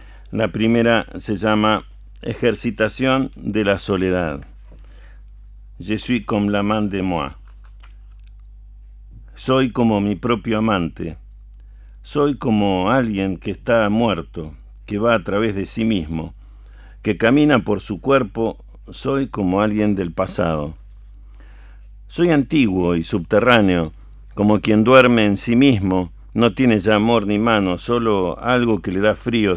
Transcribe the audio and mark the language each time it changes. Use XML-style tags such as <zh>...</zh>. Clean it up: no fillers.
<es>La primera se llama Ejercitación de la soledad.</es> <fr>Je suis comme l'amant de moi.</fr> <es>Soy como mi propio amante. Soy como alguien que está muerto, que va a través de sí mismo, que camina por su cuerpo. Soy como alguien del pasado. Soy antiguo y subterráneo, como quien duerme en sí mismo, no tiene ya amor ni mano, solo algo que le da frío.</es>